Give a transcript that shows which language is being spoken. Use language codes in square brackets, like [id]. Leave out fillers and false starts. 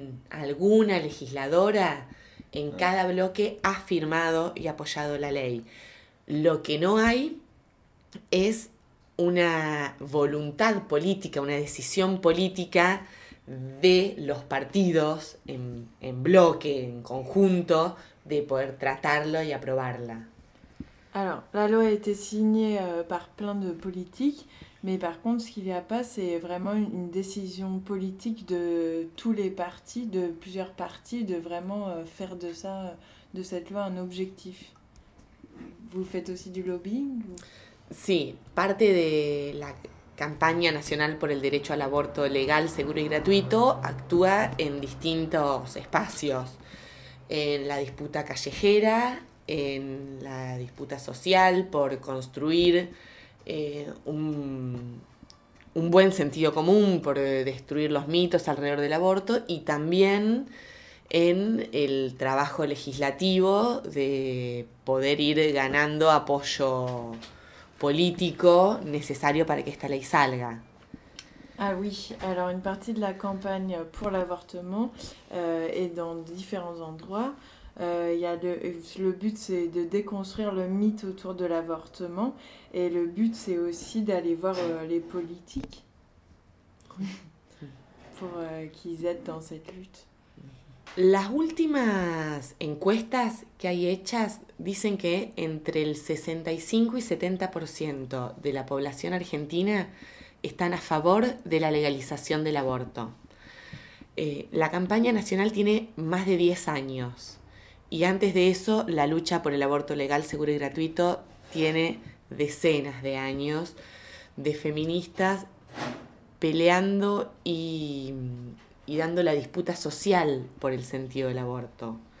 [es] Alguna legisladora en cada bloque ha firmado y apoyado la ley. Lo que no hay es una voluntad política, una decisión política de los partidos en bloque, en conjunto, de poder tratarlo y aprobarla. [fr] Alors, la loi a été signée par plein de politiques, mais par contre, ce qu'il n'y a pas, c'est vraiment une décision politique de tous les partis, de plusieurs partis, de vraiment faire de ça, de cette loi, un objectif. Vous faites aussi du lobbying ou... [es] Sí, parte de la campaña nacional por el derecho al aborto legal, seguro y gratuito, actúa en distintos espacios. En la disputa callejera, en la disputa social por construir un buen sentido común, por destruir los mitos alrededor del aborto, y también en el trabajo legislativo de poder ir ganando apoyo político necesario para que esta ley salga. [fr] Ah oui, alors une partie de la campagne pour l'avortement est dans différents endroits. Le but, c'est de déconstruire le mythe autour de l'avortement. Et le but, c'est aussi d'aller voir les politiques pour qu'ils aident dans cette lutte. [es] Las últimas encuestas que hay hechas dicen que entre el 65 y 70% de la población argentina están a favor de la legalización del aborto. La campaña nacional tiene más de 10 años. Y antes de eso, la lucha por el aborto legal, seguro y gratuito tiene decenas de años de feministas peleando y dando la disputa social por el sentido del aborto.